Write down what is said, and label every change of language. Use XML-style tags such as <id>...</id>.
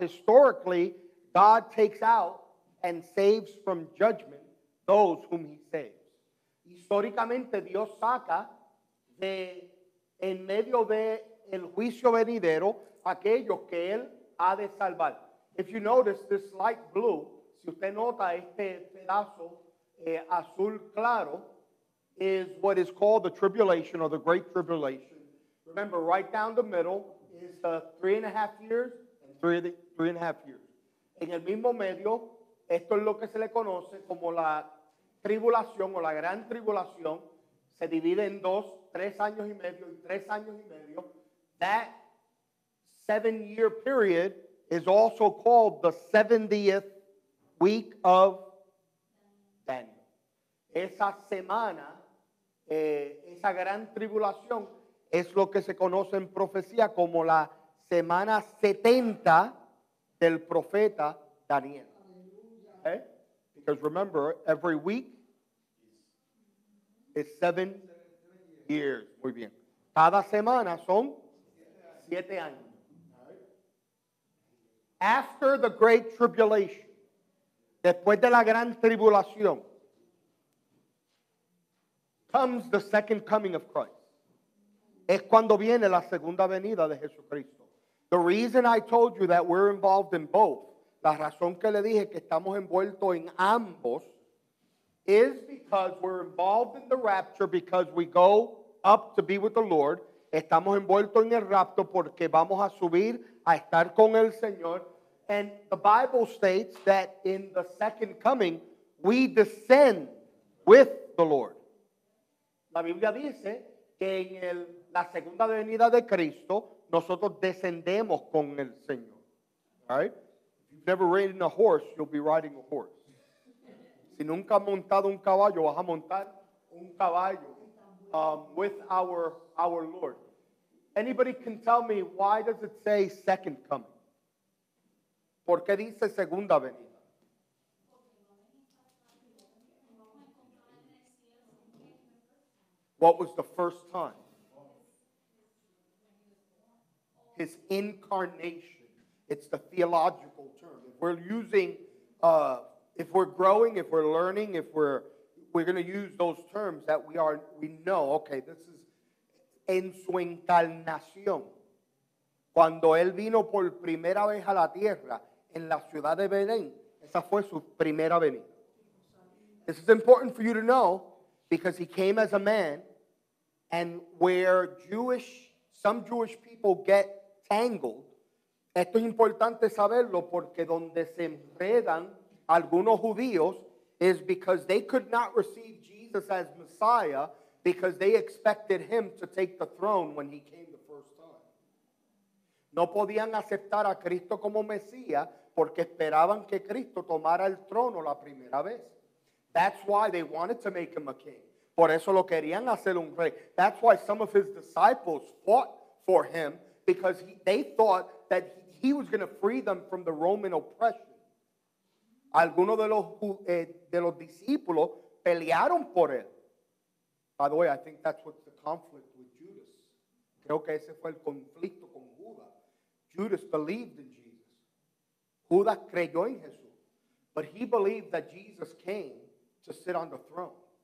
<en>Historically, God takes out and saves from judgment those whom he saves.</en> <es>Históricamente, Dios saca de en medio de el juicio venidero aquellos que él ha de salvar.</es> <en>If you notice this light blue,</en> <es>si usted nota este pedazo azul claro,</es> <en>is what is called the tribulation or the great tribulation. Remember, right down the middle is the 3.5 years and three and a half years.</en> <es>En el mismo medio, esto es lo que se le conoce como la tribulación o la gran tribulación. Se divide en dos, 3 años y medio y 3 años y medio.</es> <en>That 7-year period is also called the 70th week of Daniel.</en> <es>Esa semana, esa gran tribulación, es lo que se conoce en profecía como la semana 70 del profeta Daniel.</es> <en>Okay? Because remember, every week is 7 years.</en> <es>Muy bien. Cada semana son 7 años.</es> <en>After the great tribulation,</en> <es>después de la gran tribulación,</es> <en>comes the second coming of Christ.</en> <es>Es cuando viene la segunda venida de Jesucristo.</es> <en>The reason I told you that we're involved in both,</en> <es>la razón que le dije que estamos envueltos en ambos,</es> <en>is because we're involved in the rapture because we go up to be with the Lord.</en> <es>Estamos envueltos en el rapto porque vamos a subir a estar con el Señor.</es> <en>And the Bible states that in the second coming, we descend with the Lord.</en> <es>La Biblia dice que en el, la segunda venida de Cristo, nosotros descendemos con el Señor.</es> <en>All right? If you've never ridden a horse, you'll be riding a horse.</en> <es>Si nunca has montado un caballo, vas a montar un caballo</es> <en>with our Lord. Anybody can tell me, why does it say second coming?</en> <es>¿Por qué dice segunda venida?</es> <en>What was the first time? His incarnation. It's the theological term. If we're using, if we're growing, if we're learning, if we're going to use those terms that we know, okay, this is</en> <es>en su encarnación. Cuando él vino por primera vez a la tierra, en la ciudad de Belén, esa fue su primera venida.</es> <en>This is important for you to know because he came as a man, and where some Jewish people get tangled,</en> <es>esto es importante saberlo porque donde se enredan algunos judíos</es> <en>is because they could not receive Jesus as Messiah because they expected him to take the throne when he came the first time.</en> <es>No podían aceptar a Cristo como Mesías porque esperaban que Cristo tomara el trono la primera vez.</es> <en>That's why they wanted to make him a king.</en> <es>Por eso lo querían hacer un rey.</es> <en>That's why some of his disciples fought for him, because they thought that he was going to free them from the Roman oppression.</en> <es>Algunos de los discípulos pelearon por él.</es> <en>By the way, I think that's what the conflict with Judas.</en> <es>Creo que ese fue el conflicto con Judas.</es> <en>Judas believed in Jesus.</en> <es>Judas creyó en Jesús.</es> <en>But he believed that Jesus came to sit on the throne.</en>